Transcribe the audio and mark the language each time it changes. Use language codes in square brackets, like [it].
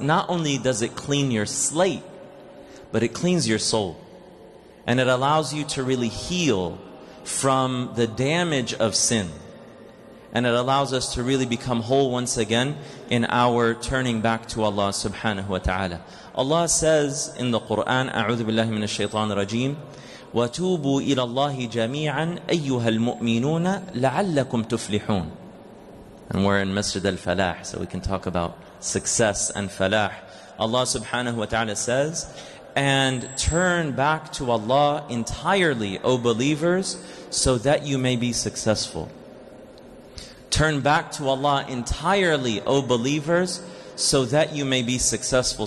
[en] Not only does it clean your slate, but it cleans your soul. And it allows you to really heal from the damage of sin. And it allows us to really become whole once again in our turning back to Allah subhanahu wa ta'ala. [ar] Allah says in the Quran, أعوذ بالله من الشيطان الرجيم, وَتُوبُوا إِلَى اللَّهِ جَمِيعًا أَيُّهَا الْمُؤْمِنُونَ لَعَلَّكُمْ تُفْلِحُونَ. [en] And we're in Masjid al-Falah, so we can talk about success and falah. Allah subhanahu wa ta'ala says, and turn back to Allah entirely, O believers, so that you may be successful. Turn back to Allah entirely, O believers, so that you may be successful.